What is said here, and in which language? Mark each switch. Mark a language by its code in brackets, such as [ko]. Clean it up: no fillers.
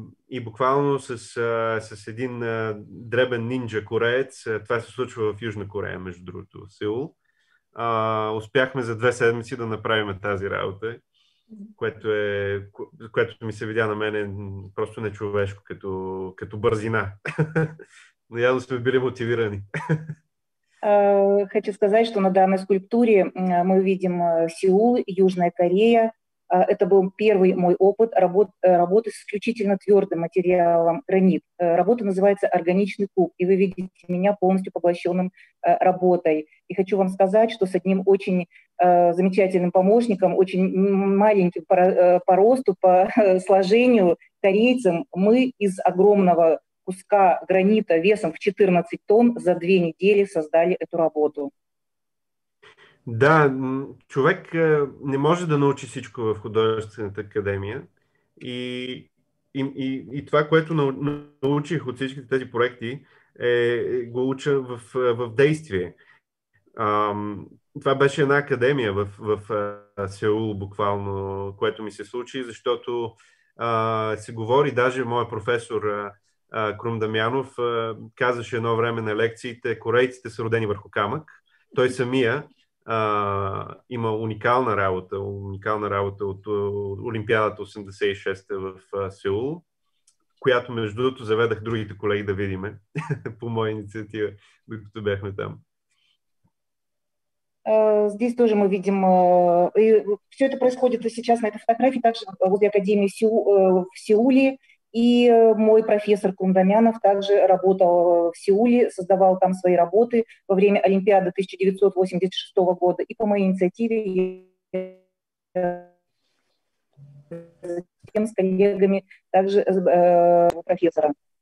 [bg] И буквално с един дребен нинджа кореец, това се случва в Южна Корея, между другото, в Сеул, успяхме за 2 седмици да направим тази работа, което ми се видя на мене просто нечовешко, като бързина. Но явно сме били мотивирани. [ru] Хочу сказать, что на данной скульптуре мы видим Сеул, Южная Корея. Это был первый мой опыт работы с исключительно твердым материалом гранит. Работа называется «Органичный куб», и вы видите меня полностью поглощенным работой. И хочу вам сказать, что с одним очень замечательным помощником, очень маленьким по росту, по сложению корейцем, мы из огромного куска гранита весом в 14 тонн за 2 недели создали эту работу. [bg] Да, човек не може да научи всичко в художествената академия и това, което научих от всички тези проекти, го уча в действие. Това беше една академия в Сеул буквално, което ми се случи, защото се говори, даже моя професор Крум Дамянов казваше едно време на лекциите: корейците са родени върху камък, той самия има уникална работа от Олимпиадата 86-та в Сеул, която между другото заведах другите колеги да видиме по моя инициатива, докато бяхме там. [ru] Здесь тоже мы видим, и все это происходит сейчас на этой фотографии, также возле Академии в Сеуле, и мой профессор Кундамянов также работал в Сеуле, создавал там свои работы во время Олимпиады 1986 года, и по моей инициативе я с коллегами также профессора.